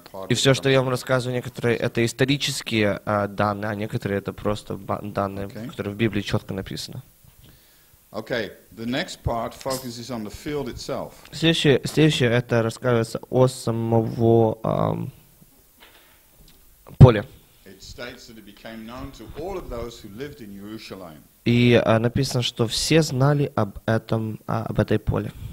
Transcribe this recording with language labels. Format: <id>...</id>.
<ru>И все, что я вам рассказываю, некоторые это исторические данные, а некоторые это просто данные, которые в Библии четко написаны.</ru> <en>Okay. The next part focuses on the field itself.</en> <ru>Следующее это рассказывается о самого поле.</ru> <en>It states that it became known to all of those who lived in Jerusalem.</en> <ru>И написано, что все знали об этом, об этой поле.</ru>